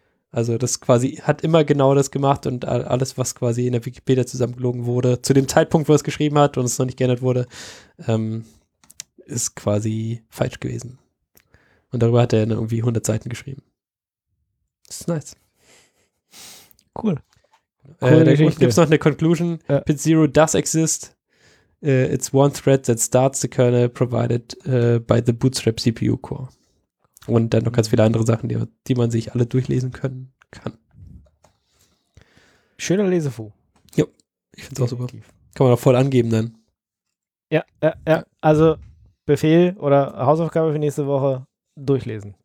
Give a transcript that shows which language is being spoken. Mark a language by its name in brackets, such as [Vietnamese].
[German] Also das quasi hat immer genau das gemacht, und alles, was quasi in der Wikipedia zusammengelogen wurde, zu dem Zeitpunkt, wo es geschrieben hat und es noch nicht geändert wurde, ist quasi falsch gewesen. Und darüber hat er irgendwie 100 Seiten geschrieben. Das ist nice. Cool. Gibt es noch eine Conclusion? Ja. [English] Pit Zero does exist. It's one thread that starts the kernel provided by the Bootstrap CPU core. [German] Und dann noch ganz viele andere Sachen, die man sich alle durchlesen können kann. Schöner Lesefu. Jo, ich find's auch super. Kann man auch voll angeben dann. Ja. Also Befehl oder Hausaufgabe für nächste Woche: durchlesen.